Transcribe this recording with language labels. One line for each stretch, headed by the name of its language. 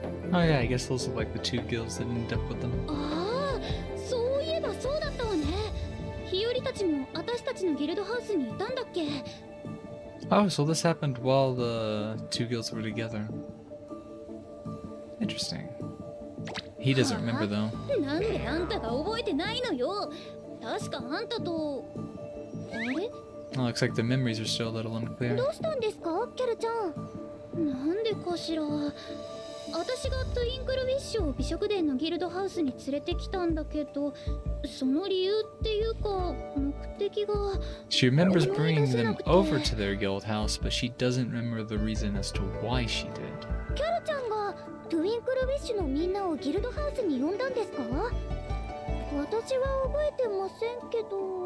English: Oh yeah, I guess those are like the two guilds that ended up with them.
Japanese: Ah, so いえばそうだったわね。Hiyori たちも私たちのギルドハウスにいたんだっけ。
English: Oh, so this happened while the two guilds were together. Interesting. He doesn't remember though.
Japanese: なんであんたが覚えてないのよ。確かあんたと、あれ？
English: Oh, looks like the memories are still a little unclear.
Japanese: どうしたんですか、ケルちゃん。なんでかしら。私がトゥインクルウィッシュを美食殿のギルドハウスに連れてきたんだけど、その理由っていうか目的が。
English: She remembers bringing them over to their guild house, but she doesn't remember the reason as to why she did.
Japanese: ケルちゃんがトゥインクルウィッシュのみんなをギルドハウスに呼んだんですか。私は覚えてませんけど。